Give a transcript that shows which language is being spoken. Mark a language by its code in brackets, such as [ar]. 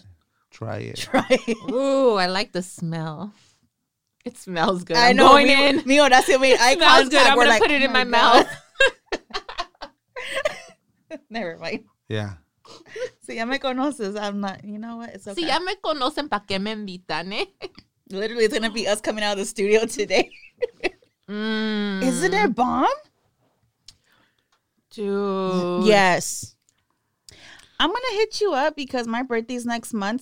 [en] It. Try it. Try it. Ooh, I like the smell. It smells good. I know. I'm going to put it in my mouth. Never mind. Yeah. [es] Si ya me conoces, [en] I'm not, you know what? It's okay. [es] Si ya me conocen, ¿pa qué me invitan, eh? [en] Literally, it's going to be us coming out of the studio today. Isn't it bomb? Dude. Yes. I'm going to hit you up because my birthday's next month.